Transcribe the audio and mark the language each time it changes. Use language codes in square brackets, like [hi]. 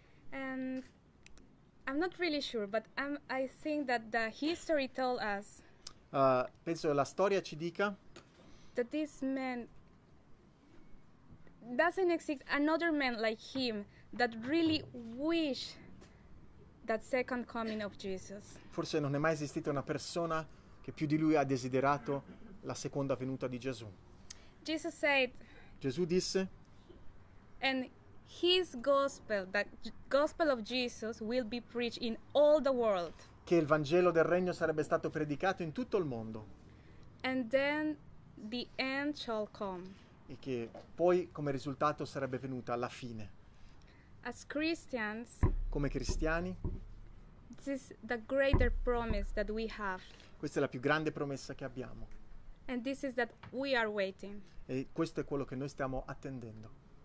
[en] And I'm not really sure, but I think that the history told us. [it] Penso che la storia ci dica. [en] That this man doesn't exist. Another man like him that really wish that second coming of Jesus. [it] Forse non è mai esistita una persona che più di lui ha desiderato la seconda venuta di Gesù. [en] Jesus said, [it] Gesù disse, [en] and his gospel, the gospel of Jesus, will be preached in all the world. [it] Che il Vangelo del Regno sarebbe stato predicato in tutto il mondo. [en] And then the end shall come. [it] E che poi come risultato sarebbe venuta la fine. [en] As Christians, [it] come cristiani, [en] this is the greater promise that we have. [it] Questa è la più grande promessa che abbiamo. [en] And this is that we are waiting. [it] E questo è quello che noi stiamo attendendo.